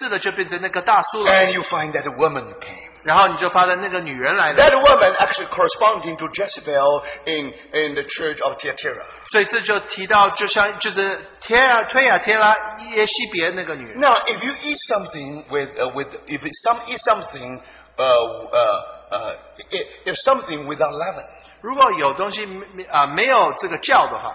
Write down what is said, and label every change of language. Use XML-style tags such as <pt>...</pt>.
<zh>然后慢慢这教会就是变成有权势的，就变成那个大树了。</zh> <en>And you find that a woman came.</en> <zh>然后你就发现那个女人来了。</zh> <en>That woman actually corresponding to Jezebel in the church of Thyatira.</en> <zh>所以这就提到，就像就是推亚推拉耶西别那个女人。</zh> <en>Now if you eat something if something without leaven.</en> <zh>如果有东西没有这个酵的话,</zh>